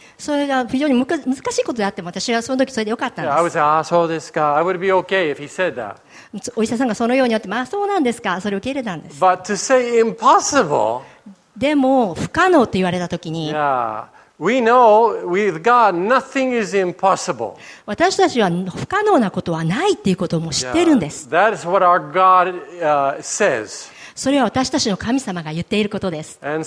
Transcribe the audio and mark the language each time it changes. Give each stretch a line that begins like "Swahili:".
Japanese: それが非常に難しいことであっても私はその時それでよかったんです。
English: Yeah, I would say, ah,
Japanese: そうですか。
English: I would be okay if he said that.
Japanese: お医者さんがそのようにあって、まあそうなんですか。それを受け入れたんです。
English: But to say impossible,
Japanese: でも不可能と言われた時に、
English: yeah, we know with God nothing is impossible.
Japanese: 私たちは不可能なことはないっていうことをもう知ってるんです。
English: Yeah, that is what our God, says.
Japanese: それは私たちの神様が言っていることです。